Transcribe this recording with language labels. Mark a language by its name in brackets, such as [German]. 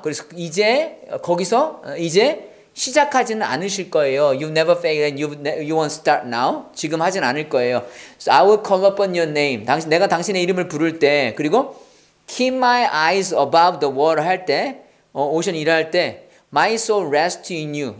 [Korean] 그래서 이제 거기서 이제 시작하지는 않으실 거예요. [English] You've never failed and you won't start now. [Korean] 지금 하진 않을 거예요. [English] So I will call upon your name. [Korean] 내가 당신의 이름을 부를 때, 그리고 [English] keep my eyes above the water [Korean] 할 때, 오션 일할 때, [English] my soul rests in you.